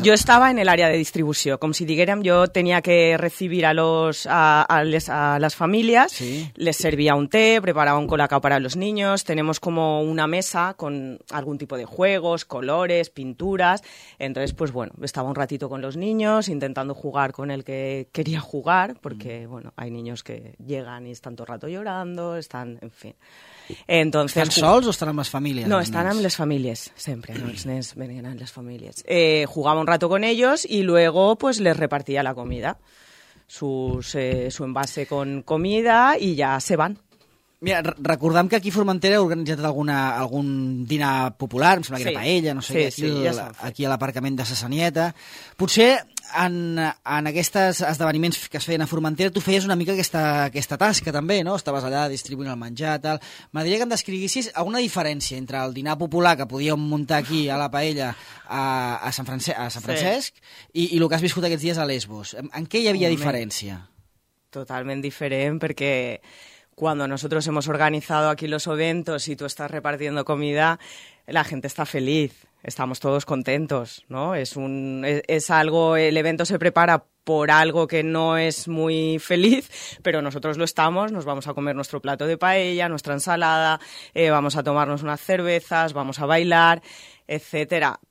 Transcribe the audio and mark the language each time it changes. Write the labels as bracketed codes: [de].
[es] Yo estaba en el área de distribución, como si dijeran yo tenía que recibir a las familias, les servía un té, preparaba un colacao para los niños, tenemos como una mesa con algún tipo de juegos, colores, pinturas, entonces pues bueno, estaba un ratito con los niños intentando jugar con el que quería jugar, porque bueno, hay niños que llegan y están todo el rato llorando, están, en fin. Entonces, [ca] ¿están sols o estan amb les famílies? No, estan amb les famílies, sempre, no? Els nens venien amb les famílies. [es] Jugava un rato con ellos y luego pues les repartía la comida, su envase con comida y ya se van. [ca] Mira, recordem que aquí a Formentera heu organitzat algun dinar popular, em sembla que era paella, no sé, aquí a l'aparcament de Sassanieta. Potser en aquests esdeveniments que es feien a Formentera tu feies una mica aquesta tasca també, no? Estaves allà distribuint el menjar, tal. M'agradaria que em descriguessis alguna diferència entre el dinar popular que podíem muntar aquí a la paella a Sant Francesc i el que has viscut aquests dies a Lesbos. En què hi havia diferència? Totalment diferent, perquè... [es] Cuando nosotros hemos organizado aquí los eventos y tú estás repartiendo comida, la gente está feliz, estamos todos contentos, ¿no? Es algo, el evento se prepara por algo que no es muy feliz, pero nosotros lo estamos, nos vamos a comer nuestro plato de paella, nuestra ensalada, vamos a tomarnos unas cervezas, vamos a bailar, etcétera.